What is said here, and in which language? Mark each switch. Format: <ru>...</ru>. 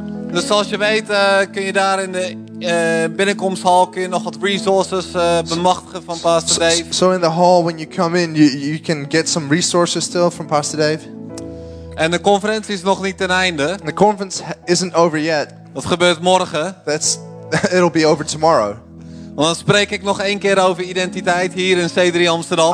<nl>Dus zoals je weet kun je daar in de binnenkomsthal kun je nog wat resources bemachtigen van Pastor Dave.</nl> <en>So in the hall when you come in you can get some resources still from Pastor Dave.</en> <nl>En de conferentie is nog niet ten einde.</nl> <en>The conference isn't over yet.</en> <nl>Dat gebeurt morgen.</nl> <en>That's it'll be over tomorrow.</en> <nl>Dan spreek ik nog één keer over identiteit hier in C3 Amsterdam.</nl>